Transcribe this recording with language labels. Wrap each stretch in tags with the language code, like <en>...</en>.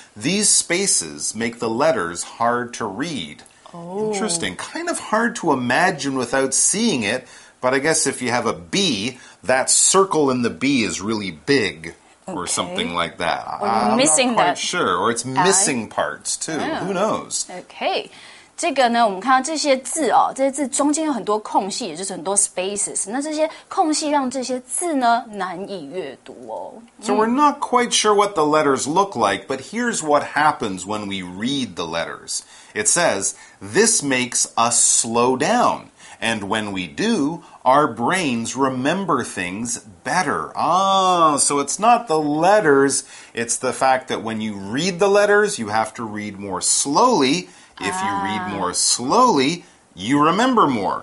<en>These spaces make the letters hard to read.、 Oh. Interesting. Kind of hard to imagine without seeing it, but I guess if you have a B, that circle in the B is really big、 okay. or something like that. I'm not quite sure. Or it's missing parts, too.、Oh. Who knows? Okay.</en> <zh>这个呢，我们看到这些字哦，这些字中间有很多空隙，也就是很多 spaces。那这些空隙让这些字呢难以阅读哦。</zh> <en>So we're not quite sure what the letters look like, but here's what happens when we read the letters. It says, this makes us slow down. And when we do, our brains remember things better. Ah, so it's not the letters, it's the fact that when you read the letters, you have to read more slowly,If you read more slowly, you remember more.</en>